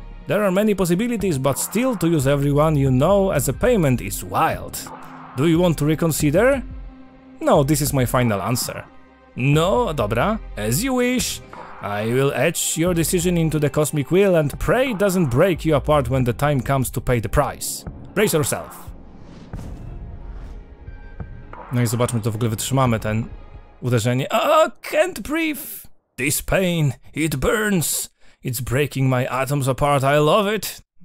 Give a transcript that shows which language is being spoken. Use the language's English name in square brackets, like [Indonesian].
[English] There are many possibilities, but still to use everyone you know as a payment is wild. Do you want to reconsider? No, this is my final answer. [Polish] No, dobra. [English] As you wish. I will etch your decision into the cosmic wheel and pray it doesn't break you apart when the time comes to pay the price. Brace yourself. [Polish] No i zobaczmy, to w ogóle wytrzymamy ten uderzenie. [English] Oh, can't breathe. This pain, it burns. It's breaking my atoms apart, I love it!